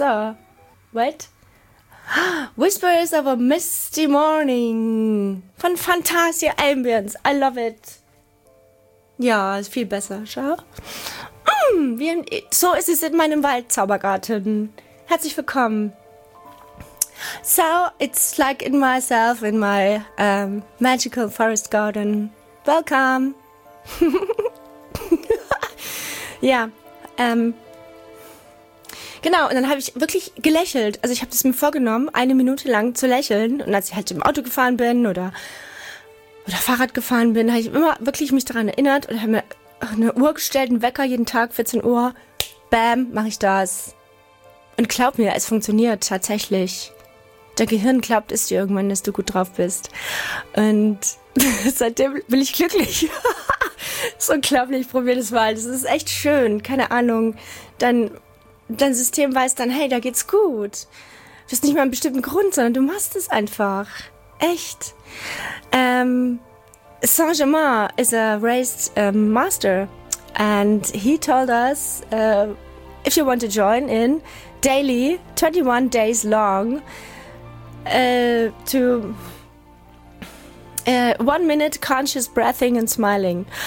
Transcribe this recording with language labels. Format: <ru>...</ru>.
<en>What? Whispers of a Misty Morning.</en> <de>Von Fantasia Ambience.</de> <en>I love it.</en> <de>Ja, ist viel besser. Schau. So ist es in meinem Waldzaubergarten. Herzlich willkommen.</de> <en>So, it's like in myself, in my magical forest garden. Welcome!</en> <de>Ja, genau, und dann habe ich wirklich gelächelt. Also ich habe das mir vorgenommen, eine Minute lang zu lächeln. Und als ich halt im Auto gefahren bin oder oder Fahrrad gefahren bin, habe ich immer wirklich mich daran erinnert und habe mir eine Uhr gestellt, einen Wecker jeden Tag, 14 Uhr. Bam, mache ich das. Und glaub mir, es funktioniert tatsächlich. Dein Gehirn glaubt es dir irgendwann, dass du gut drauf bist. Und seitdem bin ich glücklich. Das ist unglaublich, probier das mal. Das ist echt schön, keine Ahnung. Dein System weiß dann, hey, da geht's gut. Du hast nicht mal einen bestimmten Grund, sondern du machst es einfach. Echt.</de> <en>Saint-Germain is a race master. And he told us, if you want to join in daily, 21 days long, to 1 minute conscious breathing and smiling.</en>